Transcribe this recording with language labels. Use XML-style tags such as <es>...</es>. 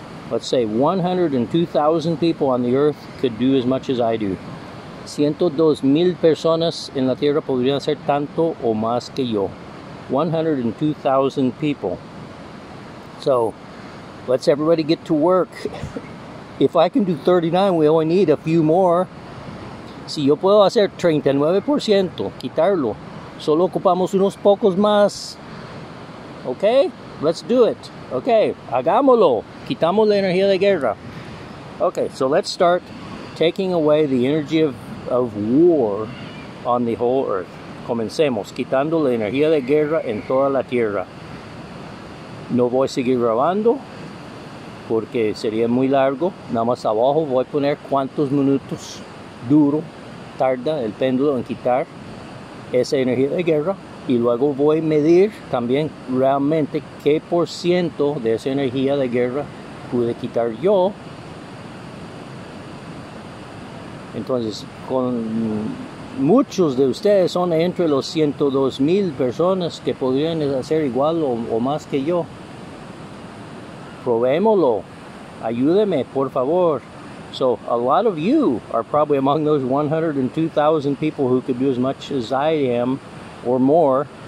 <en>Let's say 102,000 people on the earth could do as much as I do.</en> <es>102,000 personas en la tierra podrían hacer tanto o más que yo.</es> <en>102,000 people. So, let's everybody get to work. If I can do 39, we only need a few more.</en> <es>Si yo puedo hacer 39%, quitarlo, solo ocupamos unos pocos más.</es> <en>Okay? Let's do it.</en> <es>Okay, hagámoslo. Quitamos la energía de guerra.</es> <en>Okay, so let's start taking away the energy of war on the whole earth.</en> <es>Comencemos quitando la energía de guerra en toda la tierra. No voy a seguir grabando porque sería muy largo. Nada más abajo voy a poner cuántos minutos duro tarda el péndulo en quitar esa energía de guerra, y luego voy a medir también realmente qué por ciento de esa energía de guerra pude quitar yo. Entonces, con muchos de ustedes son entre los 102,000 personas que podrían hacer igual o más que yo. Probémoslo. Ayúdeme, por favor.</es> <en>So, a lot of you are probably among those 102,000 people who could do as much as I am or more.</en>